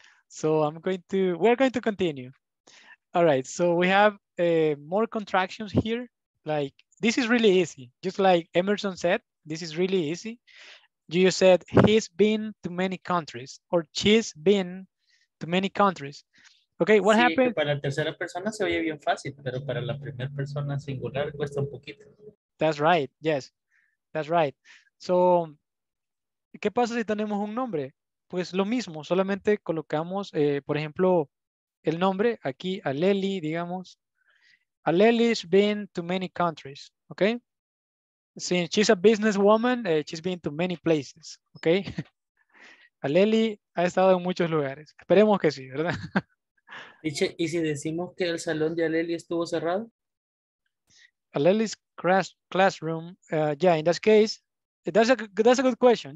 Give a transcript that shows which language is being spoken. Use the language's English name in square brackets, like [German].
[English] So I'm going to, we're going to continue. All right, so we have more contractions here. Like, this is really easy. Just like Emerson said, this is really easy. You said, he's been to many countries, or she's been to many countries. Okay, what [Spanish] sí, [English] happened? [Spanish] Para la tercera persona se oye bien fácil, pero para la primera persona singular cuesta un poquito. [English] That's right, yes. That's right. So, [Spanish] ¿qué pasa si tenemos un nombre? Pues lo mismo, solamente colocamos, por ejemplo, el nombre aquí, Aleli, digamos. [English] Aleli's been to many countries, okay? Since she's a businesswoman, she's been to many places, okay? [Spanish] Aleli ha estado en muchos lugares. Esperemos que sí, ¿verdad? ¿Y si decimos que el salón de Aleli estuvo cerrado? [English] Aleli's classroom, yeah, in that case, that's a good question.